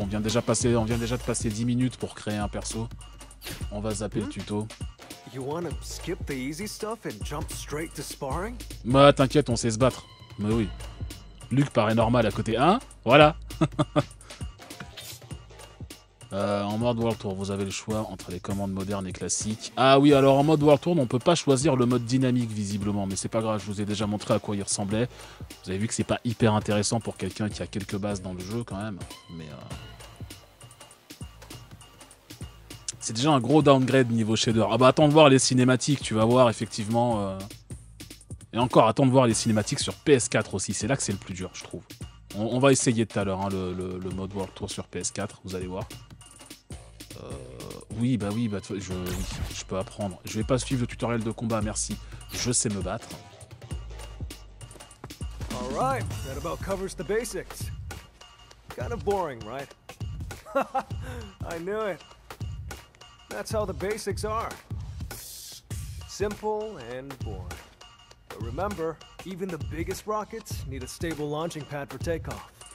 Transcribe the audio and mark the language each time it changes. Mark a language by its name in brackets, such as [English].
[French] On vient déjà de passer 10 minutes pour créer un perso. On va zapper le tuto. [English] You wanna skip the easy stuff and jump straight to sparring? [French] Bah t'inquiète, on sait se battre. Mais oui. Luke paraît normal à côté. Hein? Voilà. En mode World Tour, vous avez le choix entre les commandes modernes et classiques. Ah oui, alors en mode World Tour, on peut pas choisir le mode dynamique visiblement, mais c'est pas grave, je vous ai déjà montré à quoi il ressemblait. Vous avez vu que c'est pas hyper intéressant pour quelqu'un qui a quelques bases dans le jeu quand même, mais... C'est déjà un gros downgrade niveau shader. Ah bah attends de voir les cinématiques, tu vas voir effectivement... Et encore, attends de voir les cinématiques sur PS4 aussi, c'est là que c'est le plus dur, je trouve. On va essayer tout à l'heure hein, le mode World Tour sur PS4, vous allez voir. Je peux apprendre. Je vais pas suivre le tutoriel de combat, merci. Je sais me battre. [English] All right, that about covers the basics. Kind of boring, right? I knew it. That's how the basics are. Simple and boring. But remember, even the biggest rockets need a stable launching pad for takeoff.